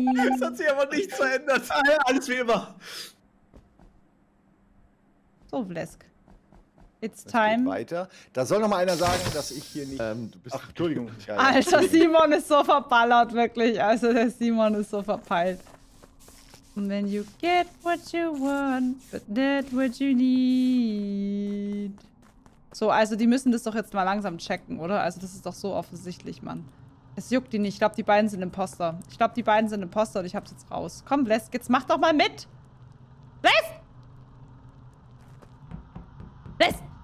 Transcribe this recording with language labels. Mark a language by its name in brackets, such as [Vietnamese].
[German] Das hat sich aber nichts verändert. Alles wie immer. [English] So, Vlesk. It's time. [German] Weiter. Da soll noch mal einer sagen, dass ich hier nicht. Du bist. Ach, Entschuldigung. Alter, Simon ist so verballert, wirklich. Also, der Simon ist so verpeilt. [English] And then you get what you want, but not what you need. [German] So, also, die müssen das doch jetzt mal langsam checken, oder? Also, das ist doch so offensichtlich, Mann. Es juckt die nicht. Ich glaube, die beiden sind Imposter. Ich glaube, die beiden sind Imposter und ich hab's jetzt raus. Komm, Blesk, jetzt mach doch mal mit! Blesk! Blesk!